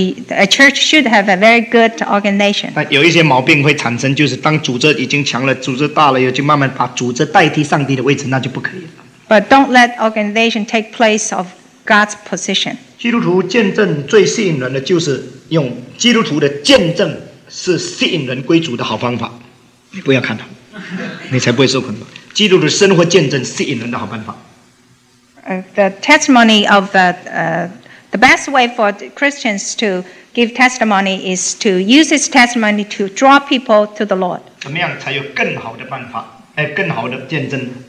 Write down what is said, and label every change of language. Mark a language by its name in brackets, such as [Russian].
[English] A church should have a very good organization. [Chinese] 有一些毛病会产生，就是当组织已经强了，组织大了，又就慢慢把组织代替上帝的位置，那就不可以了。 [English] But don't let organization take place of God's position. [Chinese] 基督徒见证最吸引人的就是用基督徒的见证是吸引人归主的好方法。你不要看他，你才不会受捆绑。 [English] The testimony of the best way for Christians to give testimony is to use his testimony to draw people to the Lord. [Chinese] 怎么样才有更好的办法，更好的见证？